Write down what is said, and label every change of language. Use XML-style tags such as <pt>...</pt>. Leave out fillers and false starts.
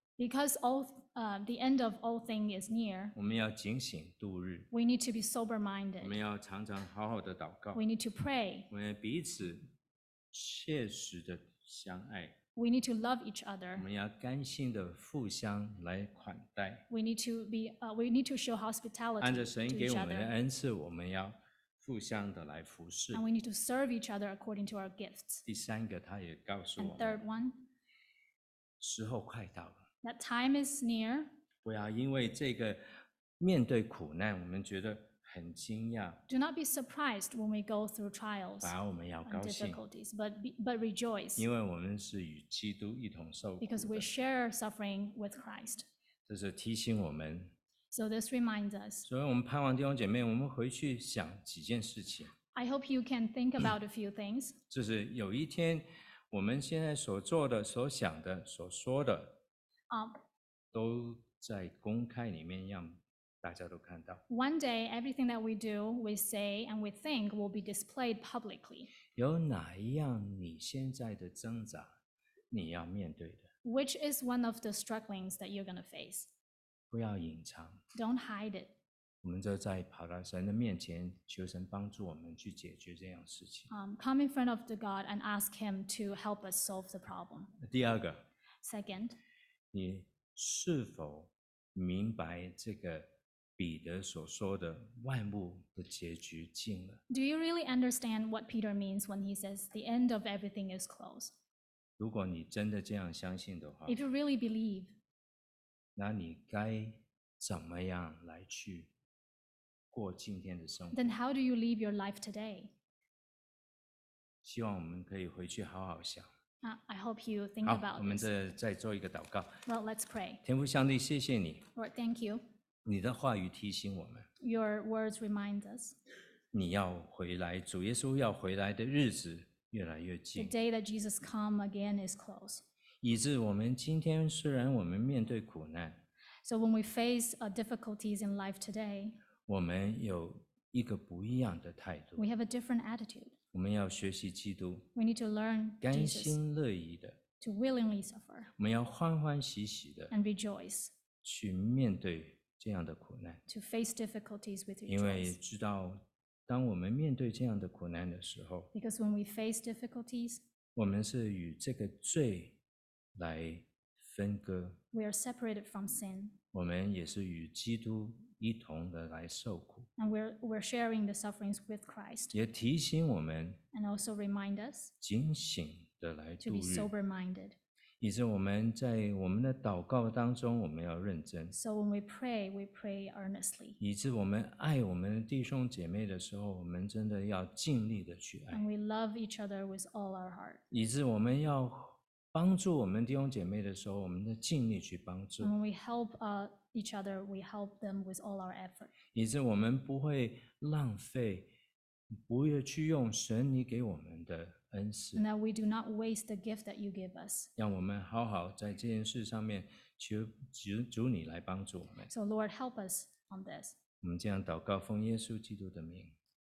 <en>Because all the end of all things is near,</en> <zh>我们要警醒度日。</zh> <en>We need to be sober-minded.</en> <zh>我们要常常好好的祷告。</zh> <en>We need to pray.</en> <zh>我们彼此切实的相爱。</zh> <en>We need to love each other.</en> <zh>我们要甘心的互相来款待。</zh> <en>We need to be, we need to show hospitality to each other.</en> <zh>按着神给我们的恩赐，我们要互相的来服侍。</zh> <en>And we need to serve each other according to our gifts.</en> <zh>第三个，他也告诉我们。</zh> <en>And third one.</en> <zh>时候快到了。</zh> <en>That time is near.</en> <zh>不要因为这个面对苦难，我们觉得很惊讶。</zh> <en>Do not be surprised when we go through trials.</en> <zh>反而我们要高兴。</zh> <en>Difficulties, but rejoice.</en> <zh>因为我们是与基督一同受苦的。</zh> <en>Because we share suffering with Christ.</en> <zh>这是提醒我们。</zh> <en>So this reminds us.</en> <zh>所以我们盼望弟兄姐妹，我们回去想几件事情。</zh> <en>I hope you can think about a few things.</en> <zh>就是有一天，我们现在所做的、所想的、所说的。都在公开里面让大家都看到。</zh> <en>One day, everything that we do, we say, and we think will be displayed publicly.</en> <zh>有哪一样你现在的挣扎你要面对的？</zh> <en>Which is one of the strugglings that you're going to face?</en> <zh>不要隐藏。</zh> <en>Don't hide it.</en> <zh>我们就在跑到神的面前，求神帮助我们去解决这样事情。</zh> <en>Come in front of the God and ask Him to help us solve the problem.</en> <zh>第二个。</zh> <en>Second.</en> <zh>你是否明白这个彼得所说的万物的结局近了？</zh> <en>Do you really understand what Peter means when he says the end of everything is close?</en> <zh>如果你真的这样相信的话，</zh> <en>If you really believe,</en> <zh>那你该怎么样来去过今天的生活？</zh> <en>Then how do you live your life today?</en> <zh>希望我们可以回去好好想。</zh> <en>I hope you think about this.</en> <zh>好，我们再做一个祷告。</zh> <en>Well, let's pray.</en> <zh>天父上帝，谢谢你。</zh> <en>Lord, thank you.</en> <zh>你的话语提醒我们。</zh> <en>Your words remind us.</en> <zh>你要回来，主耶稣要回来的日子越来越近。</zh> <en>The day that Jesus come again is close.</en> <zh>以致我们今天虽然我们面对苦难。</zh> <en>So when we face difficulties in life today.</en> <zh>我们有一个不一样的态度。</zh> <en>We have a different attitude.</en> <zh>我们要学习基督，</zh> <en>we need to learn Jesus,</en> <zh>甘心乐意的</zh> <en>to willingly suffer,</en> <zh>我们要欢欢喜喜的</zh> <en>and rejoice,</en> <zh>去面对这样的苦难</zh> <en>to face difficulties with rejoice,</en> <zh>因为知道当我们面对这样的苦难的时候</zh> <en>because when we face difficulties,</en> <zh>我们是与这个罪来分割</zh> <en>we are separated from sin,</en> <zh>我们也是与基督一同的来受苦</zh> <en>and we're sharing the sufferings with Christ</en> <zh>也提醒我们</zh> <en>and also remind us</en> <zh>警醒的来度日</zh> <en>to be sober minded</en> <zh>以致我们在我们的祷告当中我们要认真</zh> <en>so when we pray earnestly</en> <zh>以致我们爱我们弟兄姐妹的时候我们真的要尽力的去爱</zh> <en>and we love each other with all our heart</en> <zh>以致我们要帮助我们弟兄姐妹的时候我们的尽力去帮助</zh> <en>and when we help each other, we help them with all our effort.</en> <zh>以致我们不会浪费，不会去用神你给我们的恩赐。</zh> <en>And that we do not waste the gift that you give us.</en> <zh>让我们好好在这件事上面求主你来帮助我们。</zh> <en>So Lord, help us on this.</en> <zh>我们这样祷告，奉耶稣基督的名。</zh>